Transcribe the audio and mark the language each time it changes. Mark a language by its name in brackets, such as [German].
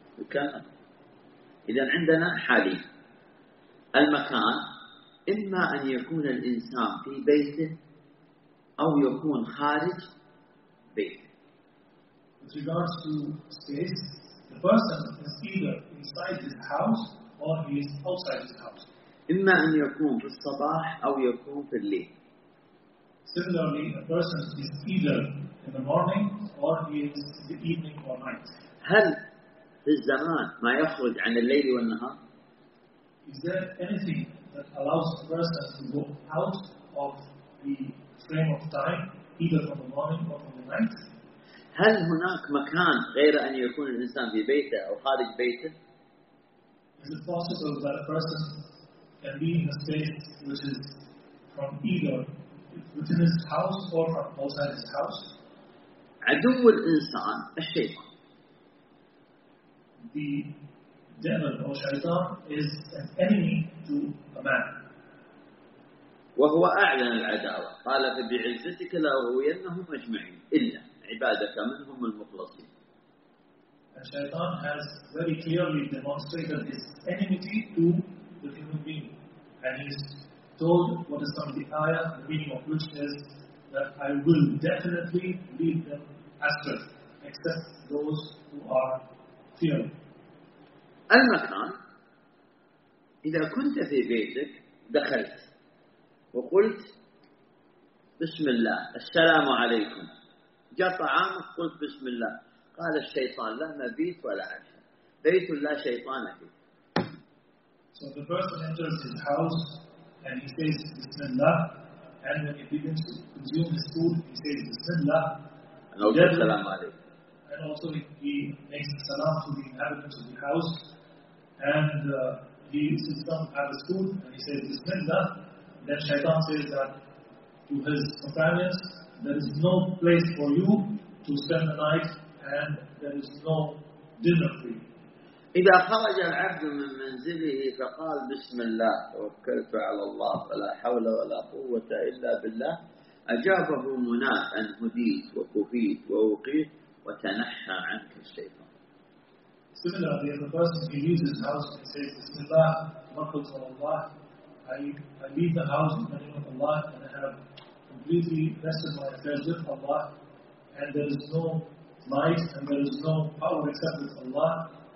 [Arabic] كان إذا عندنا حالي المكان إما أن يكون الإنسان في بيته أو يكون خارج بيته. [English] With regards to space, the person is either inside his house or he is outside his house. [Arabic] إما أن يكون في الصباح أو يكون في الليل. [English] Similarly, a person is either in the morning or he is in the evening or night. [Arabic] هل في الزمان ما يخرج عن الليل والنهار؟ [English] Is there anything that allows a person to go out of the frame of time, either from the morning or from the night? [Arabic] هل هناك مكان غير أن يكون الإنسان في بيته أو خارج بيته؟ [English] Is it possible that a person can be in a space which is from either within his house or from outside his house? [Arabic] عدو الإنسان الشيطان. [English] The devil or shaitan is an enemy to a man. [Arabic] وهو أعلن العداوة. قال فبعزتك لا أغوينهم أجمعين إلا عبادك منهم المخلصين. [English] And shaitan has very clearly demonstrated his enmity to the human being, and he's told what is from the ayah, the meaning of which is that I will definitely leave them astray, except those who are fearful. [Arabic] المكان إذا كنت في بيتك دخلت وقلت بسم الله السلام عليكم جاء طعامك قلت بسم الله قال الشيطان لا مبيت ولا عشاء بيت لا شيطان فيه. [English] So the person enters his house and he says Bismillah and when he begins to consume his food he says Bismillah and also [Arabic] السلام عليكم [English] and also he makes a salam to the inhabitants of the house and he sits down at the spoon and he says Bismillah, then shaitan says that to his companions, there is no place for you to spend the night and there is no dinner for you. [Arabic] إذا خرج العبد من منزله فقال بسم الله توكلت على الله فلا حول ولا قوة إلا بالله أجابه مناه أن هديت وكفيت ووقيت وتنحى عنك الشيطان. [English] Similarly, the person who leaves his house and says [Arabic] بسم الله توكلت على الله [English] I leave the house in the name of Allah and I have completely rested my affairs with Allah and there is no might and there is no power except with Allah.